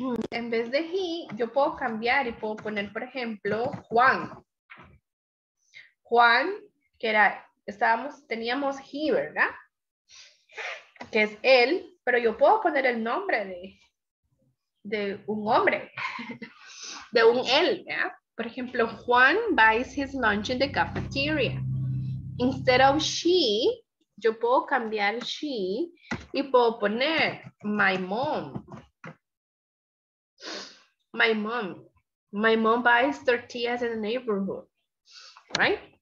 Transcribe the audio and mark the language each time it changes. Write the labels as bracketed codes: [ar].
[es] En vez de he, yo puedo cambiar y puedo poner, por ejemplo, Juan. Juan, que era, teníamos he, ¿verdad? Que es él, pero yo puedo poner el nombre de un hombre, de un él, ¿verdad? Por ejemplo, [en] Juan buys his lunch in the cafeteria. Instead of she, [es] yo puedo cambiar she y puedo poner [en] my mom. My mom buys tortillas in the neighborhood, right?